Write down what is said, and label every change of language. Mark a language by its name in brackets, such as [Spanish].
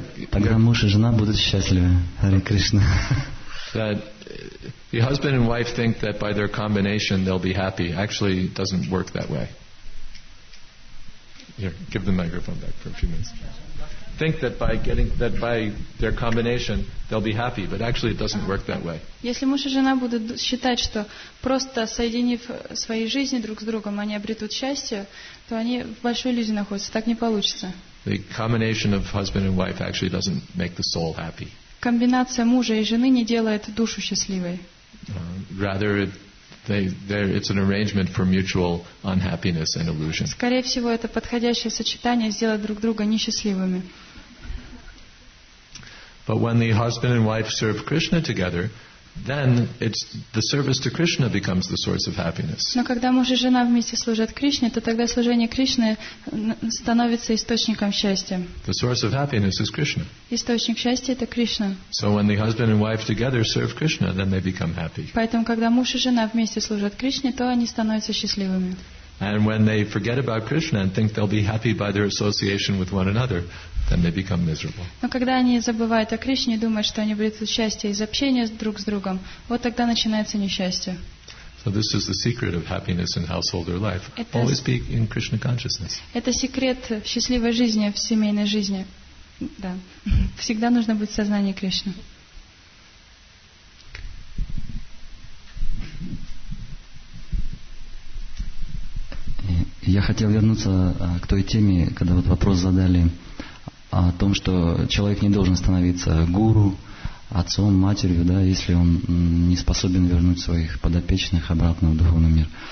[Russian] Тогда муж и жена будут счастливы. [English] Hare Krishna. That the husband and wife think that by their combination they'll be happy. Actually, it doesn't work that way. Here, give the microphone back for a few minutes. Think that by their combination they'll be happy, but actually it doesn't work that way. [Russian] Если муж и жена будут считать, что просто соединив свои жизни друг с другом, они обретут счастье, то они в большой иллюзии находятся. Так не получится. [English] The combination of husband and wife actually doesn't make the soul happy. [Russian] Комбинация мужа и жены не делает душу счастливой. [English] Rather, it's an arrangement for mutual unhappiness and illusion. [Russian] Скорее всего, это подходящее сочетание сделать друг друга несчастливыми. [English] But when the husband and wife serve Krishna together, then it's the service to Krishna becomes the source of happiness. [Russian] Но когда муж и жена вместе служат Кришне, то тогда служение Кришне становится источником счастья. [English] The source of happiness is Krishna. [Russian] Источник счастья это Кришна. [English] So when the husband and wife together serve Krishna, then they become happy. [Russian] Поэтому когда муж и жена вместе служат Кришне, то они становятся счастливыми. [English] And when they forget about Krishna and think they'll be happy by their association with one another, then they become miserable. [Russian] Но когда они забывают о Кришне и думают, что они будут счастливы из общения друг с другом, вот тогда начинается несчастье. [English] So this is the secret of happiness in household or life. Always be in Krishna consciousness. [Russian] Это секрет счастливой жизни в семейной жизни. Да. Всегда нужно быть в сознании Кришны. Я хотел вернуться к той теме, когда вот вопрос задали о том, что человек не должен становиться гуру, отцом, матерью, да, если он не способен вернуть своих подопечных обратно в духовный мир.